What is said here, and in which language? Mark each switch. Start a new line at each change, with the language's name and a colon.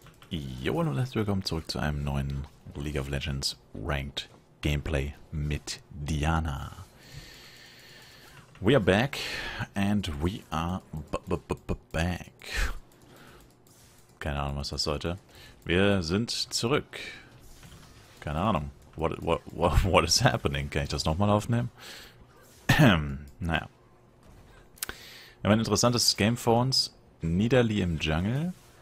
German: Hallo und herzlich willkommen zurück zu einem neuen League of Legends Ranked Gameplay mit Diana.
English: We are back and we are back.
German: Keine Ahnung, was das sollte. Wir sind zurück. Keine Ahnung.
English: What is happening?
German: Kann ich das nochmal aufnehmen? Naja. Wir haben ein interessantes Game vor uns. Nidalee im Jungle.